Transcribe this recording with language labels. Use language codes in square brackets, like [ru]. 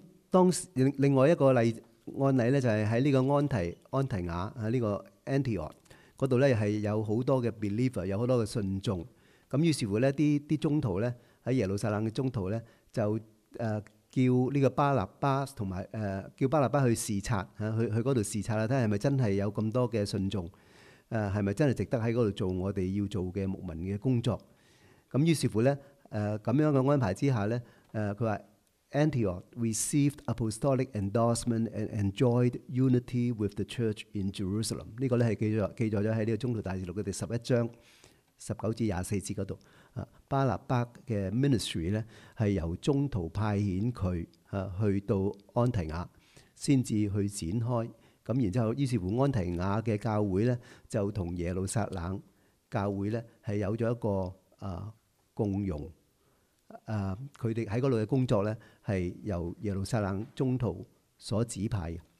[zh] 當另外一個案例就是在這個安提亞這個 Antioch 那裡是有很多的 believer， 有很多的信眾，於是乎那些宗徒呢，在耶路撒冷的宗徒呢，就叫這個巴拿巴和叫巴拿巴去視察，去那裡視察看看是否真的有這麼多的信眾，是否真的值得在那裡做我們要做的牧民的工作。於是乎呢，這樣的安排之下呢，他說 [en] Antioch received apostolic endorsement and enjoyed unity with the church in Jerusalem. [zh] 这个是记载在这个中途大事录的第11章19至24节那里。巴拿巴的 ministry 是由中途派遣他去到安提亚才去展开，然后于是乎安提亚的教会就跟耶路撒冷教会是有了一个共融，他们在那里的工作呢是由耶路撒冷中途所指派的。